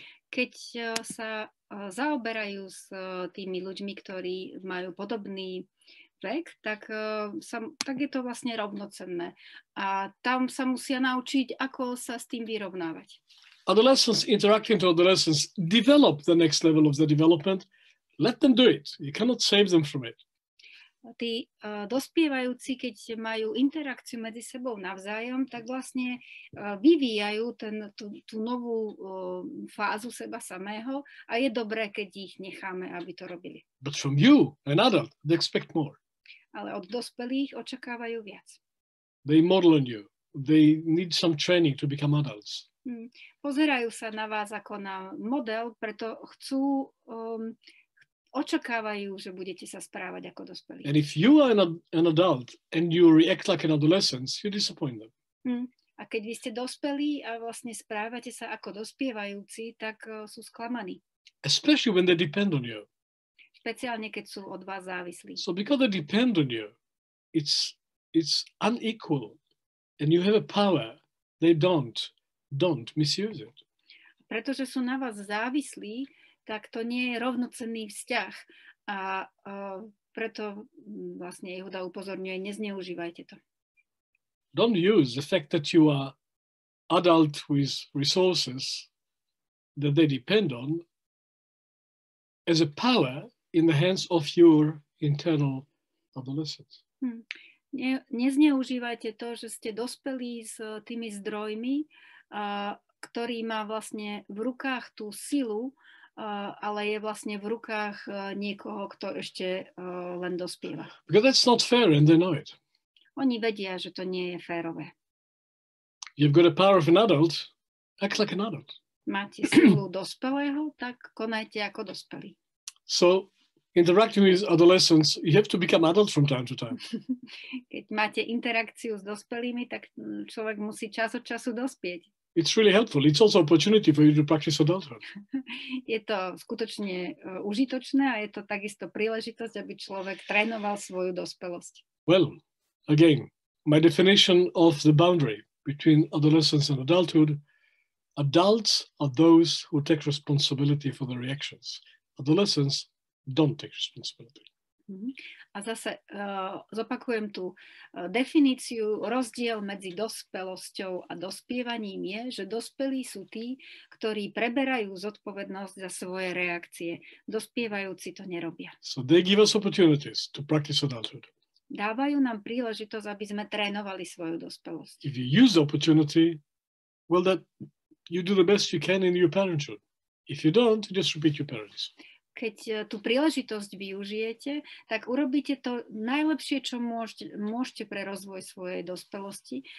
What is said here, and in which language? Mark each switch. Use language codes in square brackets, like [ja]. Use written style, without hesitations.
[sk] Keď sa zaoberajú s tými ľuďmi, ktorí majú podobný vek, tak je to vlastne rovnocenné. A tam sa musia naučiť, ako sa s tým vyrovnávať. [en] Adolescents interacting to adolescents develop the next level of the development. Let them do it. You cannot save them from it. [sk] Tí dospievajúci, keď majú interakciu medzi sebou navzájom, tak vlastne vyvíjajú tú novú fázu seba samého a je dobré, keď ich necháme, aby to robili. [en] But from you, an adult, they expect more. [sk] Ale od dospelých očakávajú viac. [en] They model on you. They need some training to become adults. [sk] Pozerajú sa na vás ako na model, preto chcú, očakávajú, že budete sa správať ako dospelí. [en] And if you are an adult and you react like an adolescent, you disappoint them. [sk] A keď vy ste dospelí a vlastne správate sa ako dospievajúci, tak sú sklamaní. [en] Especially when they depend on you. [sk] Speciálne, keď sú od vás závislí. [en] So because they depend on you, it's unequal and you have a power they don't misuse it. [sk] pretože sú na vás závislí, tak to nie je rovnocenný vzťah. A preto vlastne Yehuda upozorňuje, nezneužívajte to. [en] Don't use the fact that you are adult with resources that they depend on as a power in the hands of your internal adolescent. [sk] Nezneužívajte to, že ste dospelí s tými zdrojmi, ktorý má vlastne v rukách tú silu, ale je vlastne v rukách niekoho, kto ešte len dospieva. [en] Because that's not fair and they know it. [sk] Oni vedia, že to nie je férové. [en] You've got a power of an adult, act like an adult. [sk] Máte silu dospelého, tak konajte ako dospelý. [en] So interacting with adolescents, you have to become adult from time to time. [sk] Keď máte interakciu s dospelými, tak človek musí čas od času dospieť. [en] It's really helpful. It's also opportunity for you to practice adulthood. [sk] Je to skutočne užitočné a je to takisto príležitosť, aby človek trénoval svoju dospelosť. [en] Well, again, my definition of the boundary between adolescence and adulthood, adults are those who take responsibility for their reactions. Adolescents don't take responsibility. [sk] A zase zopakujem tú definíciu. Rozdiel medzi dospelosťou a dospievaním je, že dospelí sú tí, ktorí preberajú zodpovednosť za svoje reakcie. Dospievajúci to nerobia. [en] So they give us opportunities to practice adulthood. [sk] Dávajú nám príležitosť, aby sme trénovali svoju dospelosť. [en] If you use the opportunity, well, that you do the best you can in your parenthood. If you don't, just repeat your parents. [sk] Keď tú príležitosť využijete, tak urobíte to najlepšie, čo môžete pre rozvoj svojej dospelosti.